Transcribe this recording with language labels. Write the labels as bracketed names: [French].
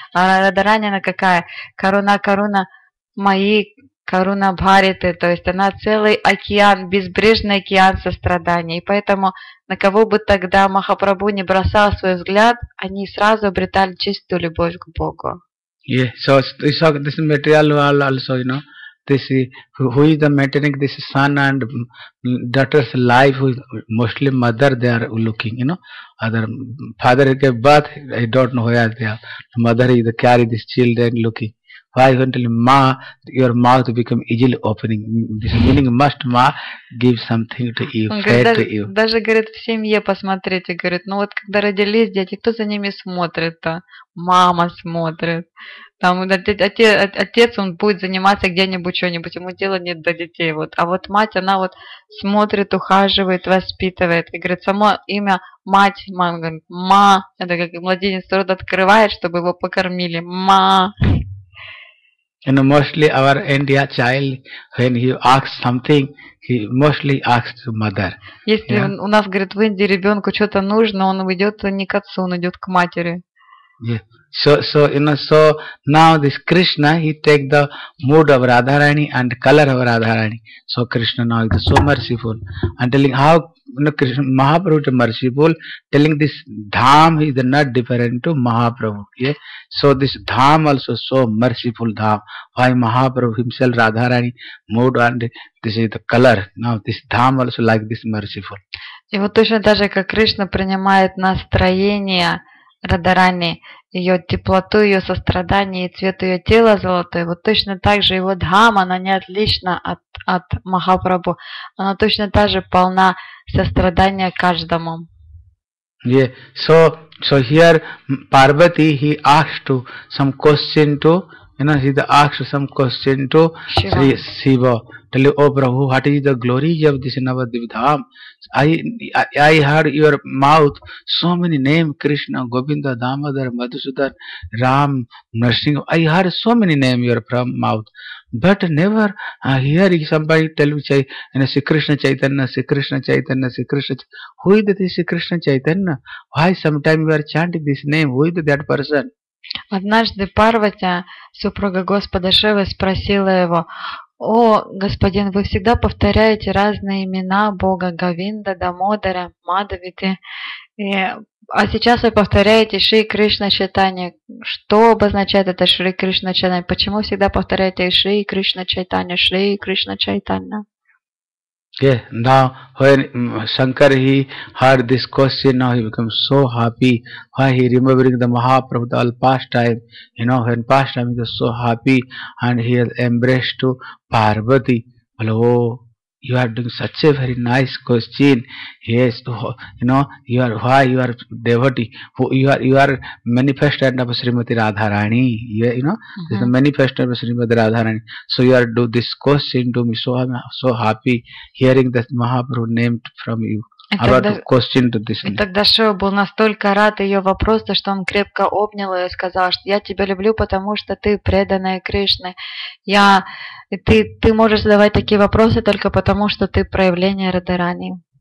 [Russian] А Радарани, она какая? Каруна мои, Каруна Бхариты. То есть, она целый океан, безбрежный океан сострадания. И поэтому... На кого бы тогда Махапрабху не бросал свой взгляд, они сразу обретали чистую любовь к Богу. [English] Yeah, so this material world also, you know, this who is the maintaining this son and daughter's life, who is mostly mother they are looking, you know. Other father gave birth, I don't know where they are. Mother is the carry this children looking. Why until ma, your mouth become easily opening. This meaning must ma give something to you, [Russian] он говорит, [English] fair to you. [Russian] Даже говорит, в семье посмотрите, говорит, ну вот когда родились дети, кто за ними смотрит-то? Мама смотрит. Там отец он будет заниматься где-нибудь что-нибудь, ему дела нет до детей. Вот. А вот мать, она вот смотрит, ухаживает, воспитывает. И говорит, само имя мать, мама говорит, ма. Это как младенец рот открывает, чтобы его покормили. Ма. [English] You know, mostly our India child, when he asks something, he mostly asks to mother. [Russian] Если у нас, говорит, в Индии ребенку что-то нужно, он идет не к отцу, он идет к матери. [English] Yeah. So you know, so now this Krishna, he take the mood of Radharani and color of Radharani. So Krishna now is so merciful and telling how, you know, Krishna Mahaprabhu is merciful, telling this dham is not different to Mahaprabhu. Yeah. So this dham also so merciful dham. Why Mahaprabhu himself Radharani mood and this is the color. Now this dham also like this merciful. [Russian] И вот точно так же, как Кришна принимает настроение Радарани, ее теплоту, ее сострадание и цвет ее тела золотой, вот точно так же его дхама, она не отлична от Махапрабху, она точно так же полна сострадания каждому. [English] Yeah. So here Parvati, he asked to some question to, you know, he asked some question to Shri Shiva. Tell you, oh Prabhu, what is the glory of this Navadvip Dham? I heard your mouth so many names, Krishna, Govinda, Damodar, Madhusudan, Ram, Narasimha. I heard so many names your from mouth. But never hearing somebody tell me, say, you know, Sri Krishna Chaitanya, Sri Krishna Chaitanya, Sri Krishna Chaitanya. Who is this Sri Krishna Chaitanya? Why sometime you are chanting this name? Who is that person? [Russian] Однажды Парвати, супруга Господа Шивы, спросила его: «О, господин, вы всегда повторяете разные имена Бога, Говинда, Дамодара, Мадхавиты, а сейчас вы повторяете Шри Кришна Чайтанья. Что обозначает это Шри Кришна Чайтанья? Почему всегда повторяете Шри Кришна Чайтанья, Шри Кришна Чайтанья?» [English] Yeah, now when Shankar he heard this question, now he becomes so happy. Why he remembering the Mahaprabhu all past time, you know, when past time he was so happy and he has embraced to Parvati. Well, oh, you are doing such a very nice question. Yes, you know, you are devotee. You are manifestant of Srimati Radharani. Yeah, you know, mm-hmm. This is a manifestant of Srimati Radharani. So you are do this question to me. So I'm so happy hearing that Mahaprabhu named from you. [Russian] И тогда Шива был настолько рад ее вопросу, что он крепко обнял ее и сказал, что я тебя люблю, потому что ты преданная Кришне. Ты можешь задавать такие вопросы только потому, что ты проявление Радарани.